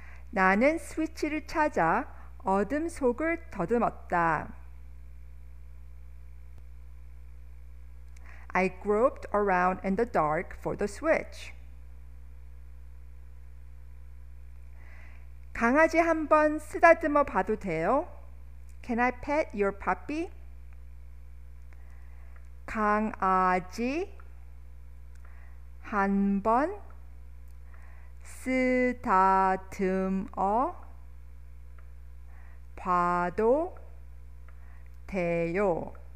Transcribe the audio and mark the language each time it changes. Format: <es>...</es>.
<ko>나는 스위치를 찾아 어둠 속을 더듬었다.</ko> <en>I groped around in the dark for the switch.</en> <ko>강아지 한번 쓰다듬어 봐도 돼요?</ko> <en>Can I pet your puppy?</en> <ko>강아지 한번 쓰다듬어 봐도 돼요?</ko>